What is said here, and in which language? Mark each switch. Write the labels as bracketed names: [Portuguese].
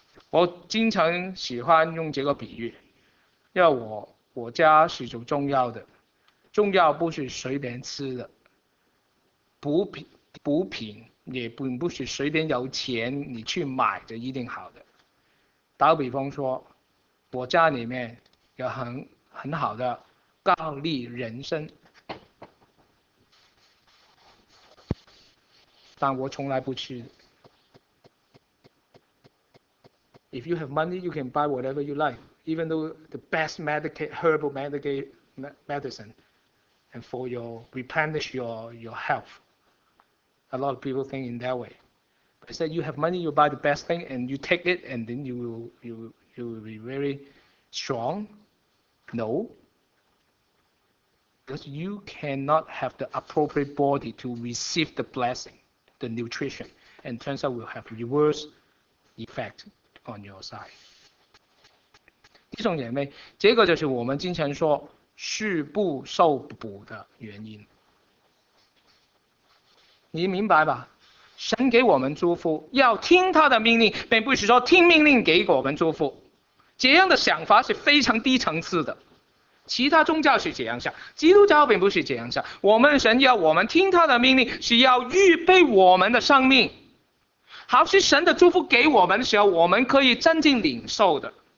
[Chinese] 我经常喜欢用这个比喻，因为我家是种中药的，中药不是随便吃的，补品也不是随便有钱你去买就一定好的。打个比方说，我家里面有很好的高丽人参，但我从来不吃。 [English] If you have money, you can buy whatever you like, even though the best herbal medicine, and for your replenish your health. A lot of people think in that way. But I said, you have money, you buy the best thing, and you take it, and then you will be very strong. No. Because you cannot have the appropriate body to receive the blessing, the nutrition, and turns out will have reverse effect on your side. [Chinese] 弟兄姐妹, 这个就是我们经常说, 是不受补的原因。你明白吧?神给我们祝福, 要听他的命令, 并不是说听命令给我们祝福。这样的想法是非常低层次的。其他宗教是这样想, 基督教并不是这样想, 我们神要我们听他的命令, 是要预备我们的生命, 好是神的祝福给我们的时候, 我们可以真正领受的。